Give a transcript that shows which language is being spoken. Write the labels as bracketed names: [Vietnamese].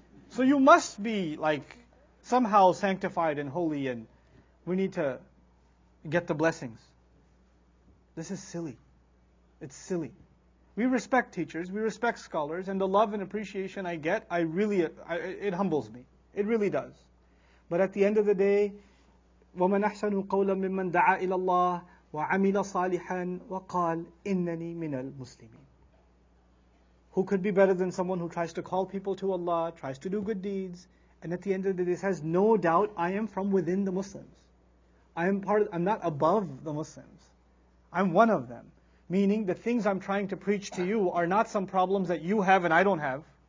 [English] So you must be like somehow sanctified and holy, and we need to get the blessings. This is silly. It's silly. We respect teachers, we respect scholars, and the love and appreciation I get, it humbles me. It really does. But at the end of the day, [Arabic] وَمَنْ أَحْسَنُ قَوْلًا مِّمَّنْ دَعَى إِلَى اللَّهِ وَعَمِلَ صَالِحًا وَقَالَ إِنَّنِي مِنَ الْمُسْلِمِينَ. [English] Who could be better than someone who tries to call people to Allah, tries to do good deeds, and at the end of the day says, no doubt I am from within the Muslims. I'm not above the Muslims. I'm one of them. Meaning the things I'm trying to preach to you are not some problems that you have and I don't have.